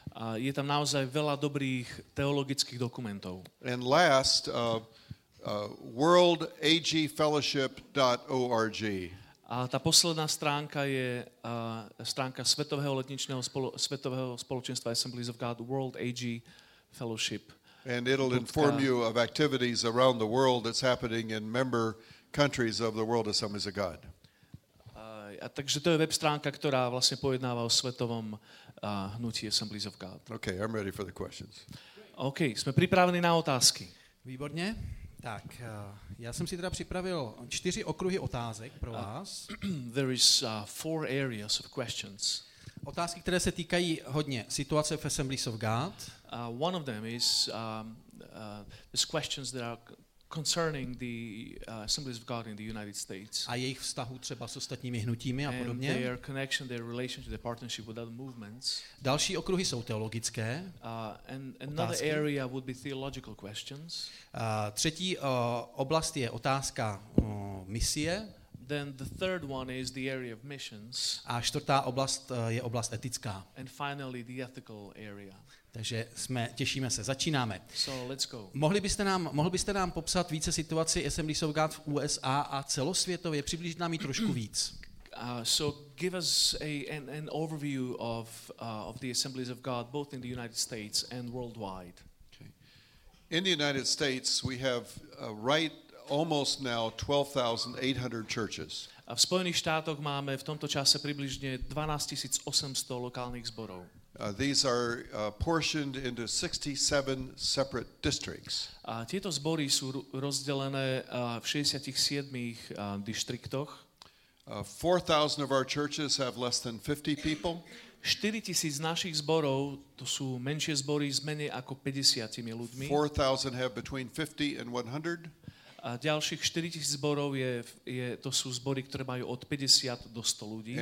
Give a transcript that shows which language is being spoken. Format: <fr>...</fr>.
<sk>A je tam naozaj veľa dobrých teologických dokumentov.</sk> <en>And last, worldagfellowship.org.</en> <sk>A tá posledná stránka je stránka Svetového letničného Svetového spoločenstva Assemblies of God, World AG Fellowship.</sk> <en>And it'll inform you of activities around the world that's happening in member countries of the World Assemblies of God.</en> <sk>Takže to je web stránka, ktorá vlastne pojednáva o svetovom hnutí Assemblies of God.</sk> <en>Okay, I'm ready for the questions.</en> <sk>Okay, sme pripravení na otázky. Výborne. Tak, ja som si teda pripravil 4 okruhy</sk> <cs>otázek pro vás.</cs> <en>There is 4 areas of questions.</en> <sk>Otázky, ktoré sa týkajú hodne situácie v Assemblies of God.</sk> <en>One of them is these questions that are concerning the Assemblies of God in the United States.</en> <cs>A jejich vztahu třeba s ostatními hnutími a podobně.</cs> <en>Their connection, their relationship, their partnership with other movements.</en> <cs>Další okruhy jsou teologické.</cs> <en>Another area would be theological questions.</en> <cs>Třetí oblast je otázka misie.</cs> <en>Then the third one is the area of missions.</en> <cs>A čtvrtá oblast je oblast etická.</cs> <en>And finally the ethical area.</en> <cs>Takže jsme, těšíme se, začínáme.</cs> <en>So, let's go.</en> <cs>Mohli byste nám popsat více situaci Assemblies of God v USA a celosvětově, přiblížit nám ji trošku víc.</cs> <en>So give us an overview of the Assemblies of God both in the United States and worldwide. Okay. In the United States we have right almost now 12,800 churches.</en> <sk>A v Spojených štátoch máme v tomto čase přibližně 12,800 lokálních zborů.</sk> <en>These are portioned into 67 separate districts.</en> <sk>A tieto zbory sú rozdelené v 67 distriktoch.</sk> <en>4,000 of our churches have less than 50 people.</en> <sk>4,000 z našich zborov, to sú menšie zbory s menej ako 50 ľuďmi.</sk> <en>4,000 have between 50 and 100.</en> <sk>A ďalších 4,000 zborov je to sú zbory, ktoré majú od 50 do 100 ľudí.</sk>